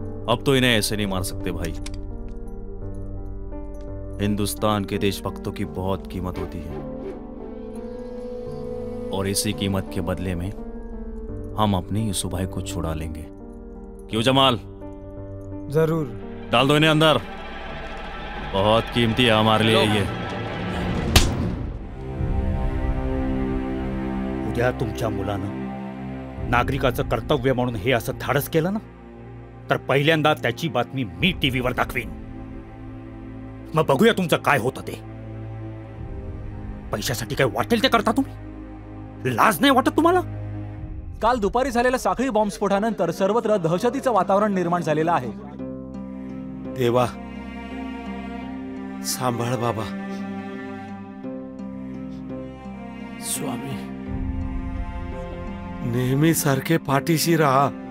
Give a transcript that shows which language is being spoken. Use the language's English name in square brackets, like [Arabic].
[Hindi] अब तो इन्हें ऐसे नहीं मार सकते भाई, हिंदुस्तान के देशभक्तों की बहुत कीमत होती है और इसी कीमत के बदले में हम अपने यूसुफ भाई को छुड़ा लेंगे। क्यों जमाल? जरूर डाल दो इन्हें अंदर, बहुत कीमती है हमारे लिए ये। [Marathi] उद्या तुमच्या मुलानं नागरिकाचं कर्तव्य म्हणून हे असं धाडस केलं ना तर पहिल्यांदा त्याची बातमी मी टीव्हीवर दाखवीन, मग बघूया तुमचं काय होतं ते। पैशासाठी काय वाटेल ते करता तुम्ही? लाज नाही वाटत तुम्हाला? काल दुपारी झालेल्या साखळी बॉम्बस्फोटानंतर सर्वत्र दहशतीचं वातावरण निर्माण झालेलं आहे। देवा सांभाळ बाबा, स्वामी नेहमी सारखे पाठीशी राहा।